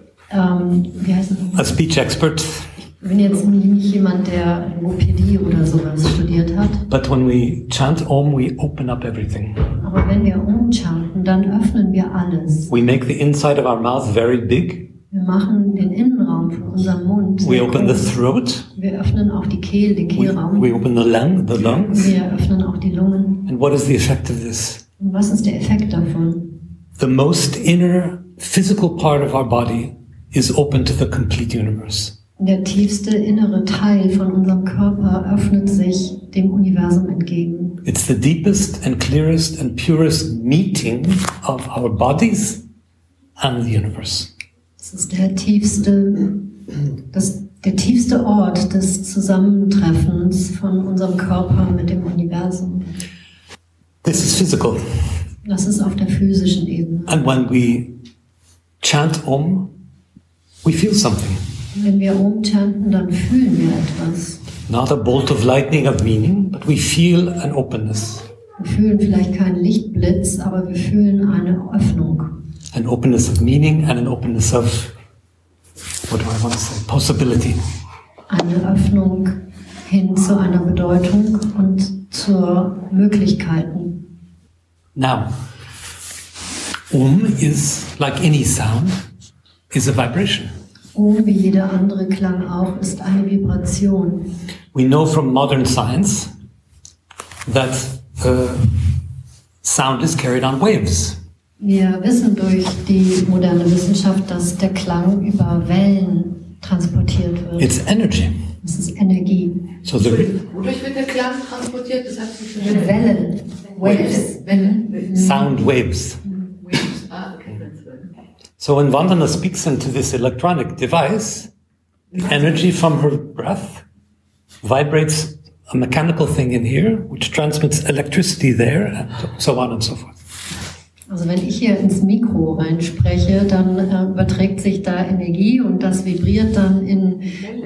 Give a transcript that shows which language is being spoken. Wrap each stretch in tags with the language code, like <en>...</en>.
<de>Wie heißt das?</de> <en>A speech expert.</en> <de>Ich bin jetzt nicht jemand, der Logopädie oder sowas studiert hat.</de> <en>But when we chant Om, we open up everything.</en> <de>Aber wenn wir Om chanten, dann öffnen wir alles.</de> <en>We make the inside of our mouth very big.</en> <de>Wir machen den Innenraum von unserem Mund.</de> <en>We open the throat.</en> <de>Wir öffnen auch die Kehle, den Kehlraum.</de> <en>We open the lungs.</en> <de>Wir öffnen auch die Lungen.</de> <en>And what is the effect of this?</en> <de>Und was ist der Effekt davon?</de> <en>The most inner physical part of our body is open to the complete universe.</en> <de>Der tiefste innere Teil von unserem Körper öffnet sich dem Universum entgegen.</de> <en>It's the deepest and clearest and purest meeting of our bodies and the universe.</en> <de>Es ist der tiefste Ort des Zusammentreffens von unserem Körper mit dem Universum.</de> <en>This is physical.</en> <de>Das ist auf der physischen Ebene.</de> <en>And when we chant Om, we feel something.</en> <de>Wenn wir Om chanten, dann fühlen wir etwas.</de> <en>Not a bolt of lightning of meaning, but we feel an openness.</en> <de>Wir fühlen vielleicht keinen Lichtblitz, aber wir fühlen eine Öffnung.</de> <en>An openness of meaning and an openness of, what do I want to say, possibility.</en> <de>Eine Öffnung hin zu einer Bedeutung und zu Möglichkeiten.</de> <en>Now, Om is, like any sound, is a vibration.</en> <de>Om, wie jeder andere Klang auch, ist eine Vibration.</de> <en>We know from modern science that sound is carried on waves.</en> <de>Wir wissen durch die moderne Wissenschaft, dass der Klang über Wellen transportiert wird.</de> <en>It's energy.</en> <de>Es ist Energie.</de> <en>So the</en> <de>wodurch wird der Klang transportiert? Das heißt, mit Wellen. Waves.</de> <en>Wellen. Sound waves. Waves. Ah, okay. So when Vandana speaks into this electronic device, the energy from her breath vibrates a mechanical thing in here, which transmits electricity there, and so on and so forth.</en> <de>Also wenn ich hier ins Mikro reinspreche, dann überträgt sich da Energie und das vibriert dann in Wellen.</de>